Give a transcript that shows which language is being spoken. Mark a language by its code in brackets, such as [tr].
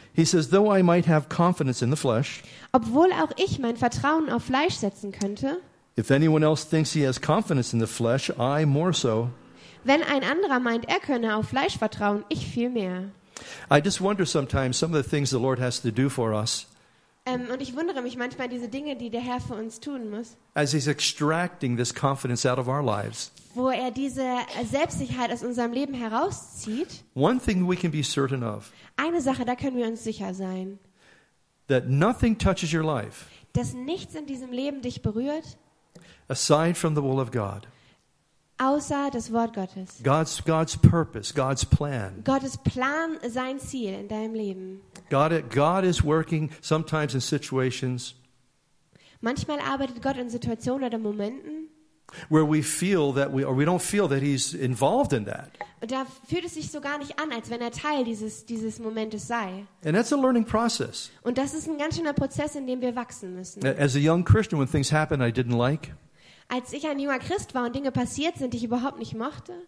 [en] He says, though I might have confidence in the flesh. [de] Obwohl auch ich mein Vertrauen auf Fleisch setzen könnte. [en] If anyone else thinks he has confidence in the flesh, I more so. [de] Wenn ein anderer meint, er könne auf Fleisch vertrauen, ich viel mehr. [en] I just wonder sometimes some of the things the Lord has to do for us. [de] Und ich wundere mich manchmal diese Dinge, die der Herr für uns tun muss. [en] As he's extracting this confidence out of our lives. [de] Wo er diese Selbstsicherheit aus unserem Leben herauszieht. [en] One thing we can be certain of. [de] Eine Sache, da können wir uns sicher sein. [en] That nothing touches your life. [de] Dass nichts in diesem Leben dich berührt. [en] Aside from the will of God. [de] Außer das Wort Gottes. [en] God's purpose, God's plan. [de] Gottes Plan, sein Ziel in deinem Leben. [en] God is working sometimes in situations. [de] Manchmal arbeitet Gott in Situationen oder Momenten. [en] Where we feel that we don't feel that he's involved in that. [de] Und da fühlt es sich so gar nicht an, als wenn er Teil dieses Momentes sei. [en] And that's a learning process. [de] Und das ist ein ganz schöner Prozess, in dem wir wachsen müssen. [en] As a young Christian, when things happen I didn't like. [de] Als ich ein junger Christ war und Dinge passiert sind, die ich überhaupt nicht mochte,